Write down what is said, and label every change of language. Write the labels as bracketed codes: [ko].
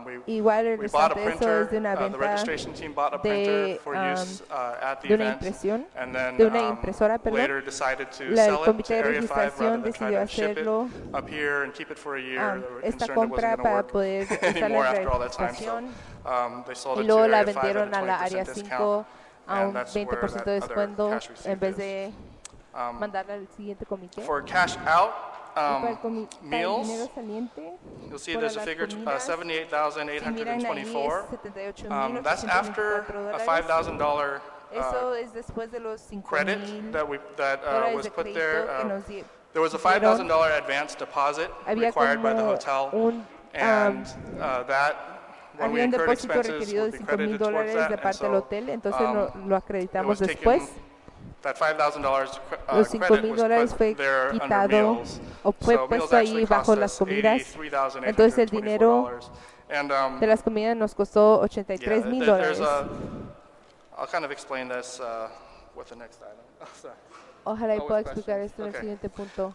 [es] Igual el resultado de eso es de una venta [en] the registration team bought a printer for use, at the [es] de una impresión, [en] and then, [es] de una impresora, perdón. [en] Later decided to sell [es] el comité de registración decidió hacerlo [en] up here and keep it for a year. [es] Esta compra para poder usar la registración. Y luego la vendieron a la área 5 a un 20% de descuento en vez de mandarla al siguiente comité. [en] For cash out, meals, you'll see there's a figure $78,824. That's after a $5,000 credit that was put there. There was a $5,000 advance deposit required by the hotel, and that. [es] Había un depósito requerido de $5,000 de parte del hotel, entonces lo acreditamos después. Los $5,000 fue quitado o fue puesto ahí bajo las comidas. Entonces el dinero de las comidas nos costó $83,000. [en] I'll kind of explain this with the next item. [es] Ojalá y pueda explicar esto en el siguiente punto.